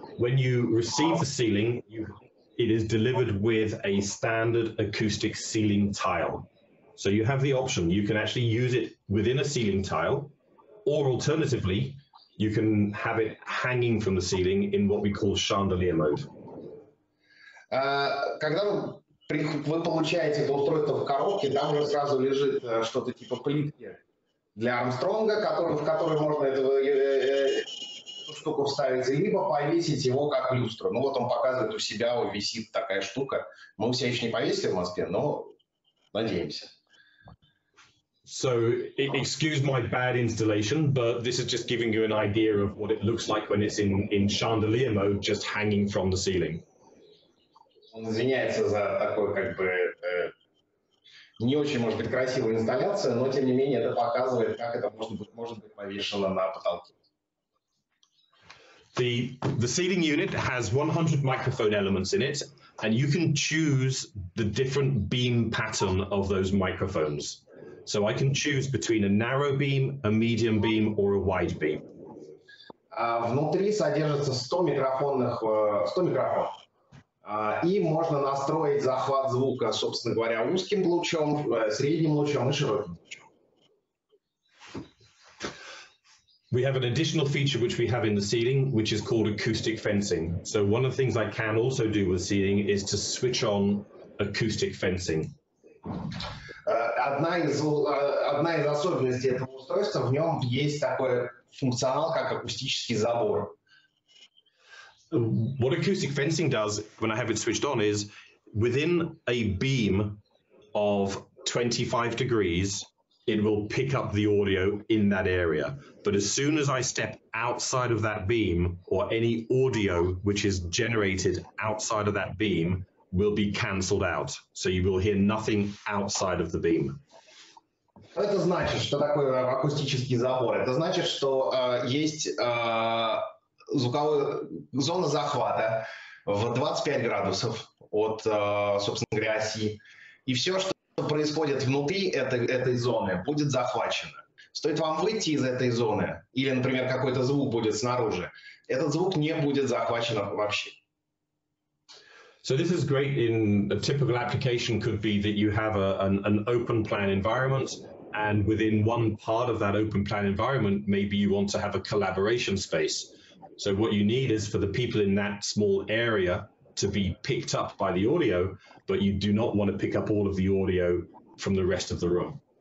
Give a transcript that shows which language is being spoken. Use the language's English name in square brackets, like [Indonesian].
[English] When you receive the ceiling, it is delivered with a standard acoustic ceiling tile. So you have the option, you can actually use it within a ceiling tile, or alternatively, you can have it hanging from the ceiling in what we call chandelier mode. [Russian] Когда вы получаете это устройство в коробке, там уже сразу лежит что-то типа плитки для Армстронга, в которой можно это штуку вставить, либо повесить его как люстру. Ну вот он показывает у себя, вот висит такая штука. Мы у себя еще не повесили в Москве, но надеемся. [English] So, excuse my bad installation, but this is just giving you an idea of what it looks like when it's in chandelier mode, just hanging from the ceiling. [Russian] Он извиняется за такую, как бы, не очень, может быть, красивую инсталляцию, но тем не менее это показывает, как это может быть повешено на потолке. [English] The ceiling unit has 100 microphone elements in it, and you can choose the different beam pattern of those microphones. So I can choose between a narrow beam, a medium beam, or a wide beam. [Russian] Внутри содержится 100 микрофонов, и можно настроить захват звука, собственно говоря, узким лучом, средним лучом и широким лучом. [English] We have an additional feature which we have in the ceiling, which is called acoustic fencing. So one of the things I can also do with ceiling is to switch on acoustic fencing. [Russian] Одна из особенностей этого устройства, в нем есть такой функционал, как акустический забор. [English] What acoustic fencing does when I have it switched on is within a beam of 25 degrees, it will pick up the audio in that area. But as soon as I step outside of that beam, or any audio which is generated outside of that beam will be cancelled out. So you will hear nothing outside of the beam. [Russian] Это значит, что такое акустический забор? Это значит, что есть звуковая зона захвата в 25 градусов от, собственно говоря, оси. И все, что происходит внутри этой зоны, будет захвачено. Стоит вам выйти из этой зоны, или, например, какой-то звук будет снаружи, этот звук не будет захвачен вообще. [English] So this is great. In a typical application could be that you have an open plan environment, and within one part of that open plan environment, maybe you want to have a collaboration space. So what you need is for the people in that small area to be picked up by the audio, but you do not want to pick up all of the audio from the rest of the room.